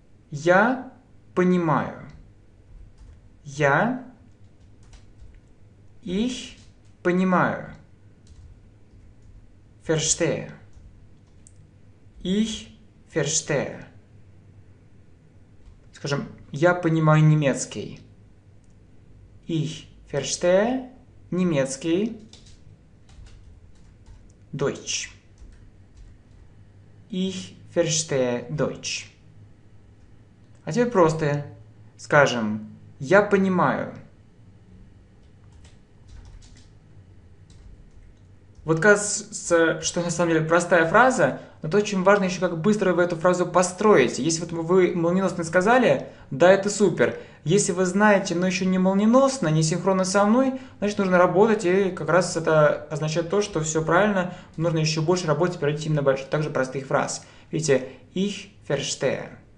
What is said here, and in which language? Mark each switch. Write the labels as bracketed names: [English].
[Russian] Я понимаю. Я. [German] Ich [Russian] понимаю. [German] Verstehe. Ich verstehe. [Russian] Скажем, я понимаю немецкий. [German] Ich verstehe [Russian] немецкий. [German] Deutsch. Ich verstehe Deutsch. [Russian] А теперь просто скажем, я понимаю. Вот кажется, что на самом деле простая фраза, но то очень важно еще как быстро вы эту фразу построите. Если вот вы молниеносно сказали, да, это супер. Если вы знаете, но еще не молниеносно, не синхронно со мной, значит нужно работать, и как раз это означает то, что все правильно, нужно еще больше работать, перейти именно больше, также простых фраз. Видите, [German] ich verstehe.